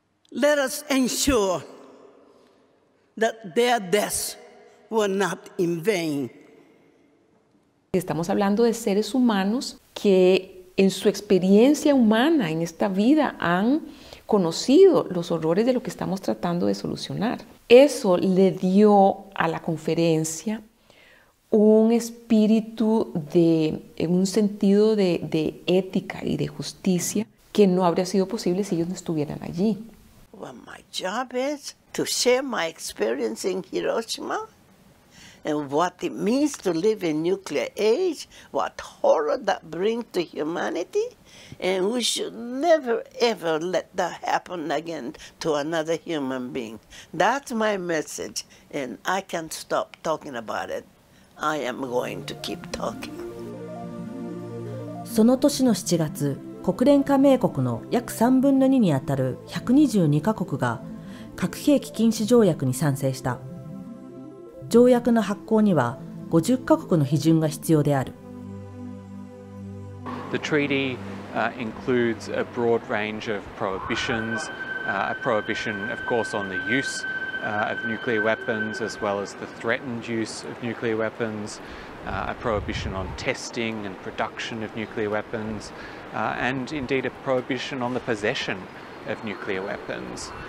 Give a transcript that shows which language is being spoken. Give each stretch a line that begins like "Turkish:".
English: Let us ensure that their deaths were not in vain.
Spanish: Estamos hablando de seres humanos que en su experiencia humana, en esta vida, han conocido los horrores de lo que estamos tratando de solucionar. Eso le dio a la conferencia un espíritu de, un sentido de ética y de justicia que no habría sido posible si ellos no estuvieran allí.
English: Well, my job is to share my experience in Hiroshima and what it means to live in nuclear age, what horror that brings to humanity, and we should never ever let that happen again to another human being. That's my message, and I can't stop talking about it. I am going to keep talking.
Japanese: その年の7月、国連加盟国の約3分の2にあたる122カ国が核兵器禁止条約に賛成した。条約の発効には50カ国の批准が必要である。
English: The treaty includes a broad range of prohibitions, a prohibition of course on the use of nuclear weapons as well as the threatened use of nuclear weapons, a prohibition on testing and production of nuclear weaponsand indeed a prohibition on the possession of nuclear weapons.